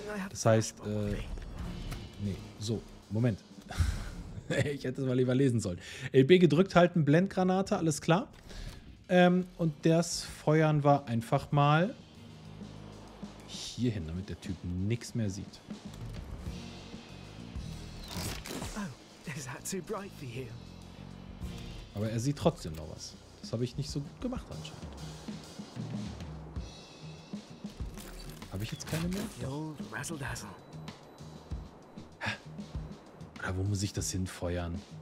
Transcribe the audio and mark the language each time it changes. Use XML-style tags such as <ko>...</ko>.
<de>Das heißt, nee, so, Moment. Ich hätte es mal lieber lesen sollen. LB gedrückt halten, Blendgranate, alles klar. Und das feuern wir einfach mal hier hin, damit der Typ nichts mehr sieht.</de> <en>Oh, is that too bright for you?</en> <de>Aber er sieht trotzdem noch was. Das habe ich nicht so gut gemacht anscheinend. Habe ich jetzt keine mehr? Oder wo muss ich das hinfeuern?</de>